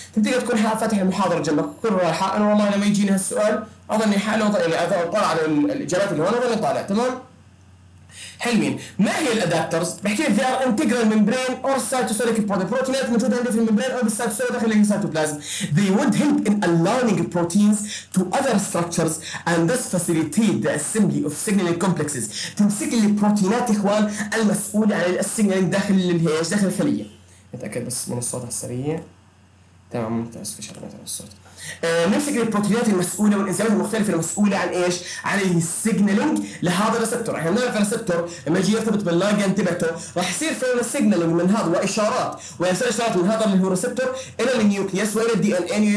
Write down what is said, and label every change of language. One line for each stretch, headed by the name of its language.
Arabic: فبتقدر تكون حاطط فاتح المحاضرة جنبك كل رايحة أنا والله لما يجيني هالسؤال أظني حالي وطلع يعني أطلع على الإجابات اللي هون وأظني طالع تمام حلمين. ما هي الادابترز؟ بحكي لك
English: the integral membrane or cytosolic
Arabic: بروتينات موجوده عندنا في الممبرين او بالسايتوسوليك داخل السيتوبلازم.
English: They would help in aligning proteins to other structures and thus facilitate the assembly of signaling complexes.
Arabic: تمسك لي البروتينات اخوان المسؤوله عن السيجنالين داخل الهيش داخل الخليه. نتاكد بس من الصوت على السريع. تمام ممتاز في شغله على الصوت. نمسك البروتينات المسؤولة والإنزيمات المختلفة المسؤولة عن إيش؟ عن السيجنالينج لهذا الريسبتور. إحنا نعرف الريسبتور لما يجي يرتبط باللايجن تبعته راح يصير في السيجنالينج من هذا وإشارات ويصير إشارات من هذا اللي هو الريسبتور إلى النيوكليوس وإلى الدي إن إيه.